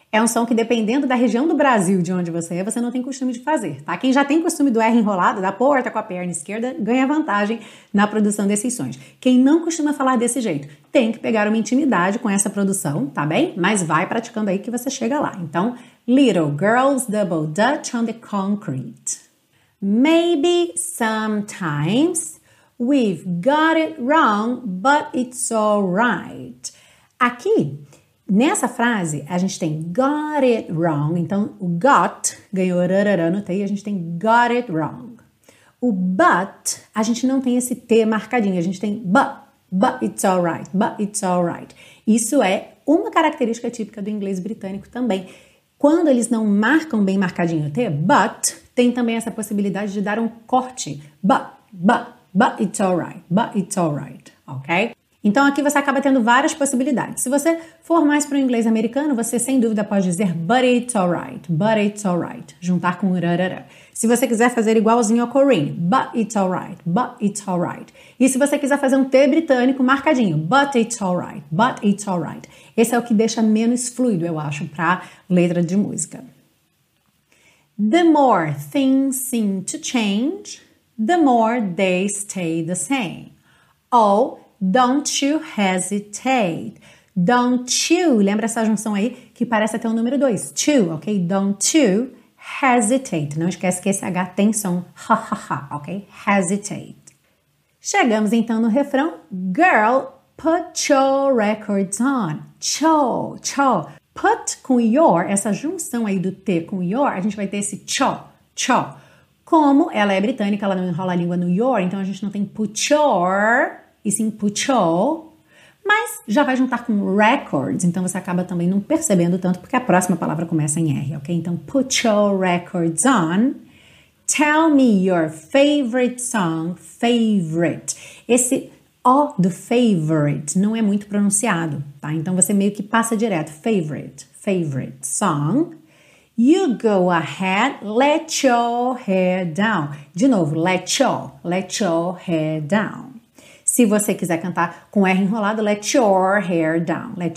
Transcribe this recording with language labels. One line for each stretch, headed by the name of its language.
Portuguese: É um som que, dependendo da região do Brasil de onde você é, você não tem costume de fazer, tá? Quem já tem costume do R enrolado, da porta com a perna esquerda, ganha vantagem na produção desses sons. Quem não costuma falar desse jeito, tem que pegar uma intimidade com essa produção, tá bem? Mas vai praticando aí que você chega lá.
English: Então, little girls double dutch on the concrete. Maybe sometimes we've got it wrong, but it's all right.
Portuguese: Aqui, nessa frase, a gente tem got it wrong. Então, o got ganhou rarará no T e a gente tem got it wrong. O but, a gente não tem esse T marcadinho. A gente tem but it's all right, but it's all right. Isso é uma característica típica do inglês britânico também. Quando eles não marcam bem marcadinho o T, but, tem também essa possibilidade de dar um corte.
English: But it's all right, but it's all right, ok?
Portuguese: Então, aqui você acaba tendo várias possibilidades. Se você for mais para o inglês americano, você sem dúvida pode dizer but it's alright, juntar com rarará. Se você quiser fazer igualzinho ao Corinne, but it's alright. E se você quiser fazer um T britânico marcadinho, but it's alright. Esse é o que deixa menos fluido, eu acho, para letra de música.
English: The more things seem to change, the more they stay the same. Ou don't you hesitate.
Portuguese: Don't you, lembra essa junção aí que parece até o número 2. To, ok? Don't you hesitate. Não esquece que esse H tem som. Ha, ha, ha, ok? Hesitate. Chegamos então no refrão.
English: Girl, put your records on. Cho.
Portuguese: Put com your, essa junção aí do T com your, a gente vai ter esse cho. Como ela é britânica, ela não enrola a língua no your, então a gente não tem put your, e sim put your, mas já vai juntar com records, então você acaba também não percebendo tanto, porque a próxima palavra começa em R, ok?
English: Então, put your records on, tell me your favorite song, favorite.
Portuguese: Esse O do favorite não é muito pronunciado, tá? Então, você meio que passa direto, favorite song.
English: You go ahead, let your hair down. De novo, let your hair down.
Portuguese: Se você quiser cantar com R enrolado, let your hair down.